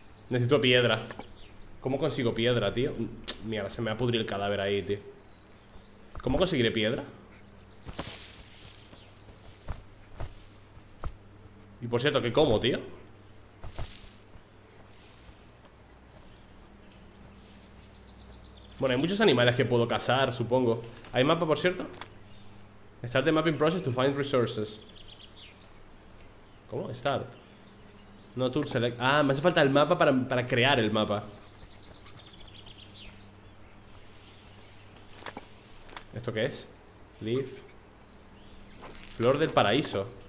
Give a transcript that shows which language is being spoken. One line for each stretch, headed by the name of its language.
Spanish: Necesito piedra. ¿Cómo consigo piedra, tío? Mira, se me va a pudrir el cadáver ahí, tío. ¿Cómo conseguiré piedra? Y por cierto, ¿qué como, tío? Bueno, hay muchos animales que puedo cazar, supongo. ¿Hay mapa, por cierto?
English: Start the mapping process to find resources.
Spanish: ¿Cómo?
English: Start. No tool select.
Spanish: Ah, me hace falta el mapa para crear el mapa. ¿Esto qué es? Leaf. Flor del paraíso.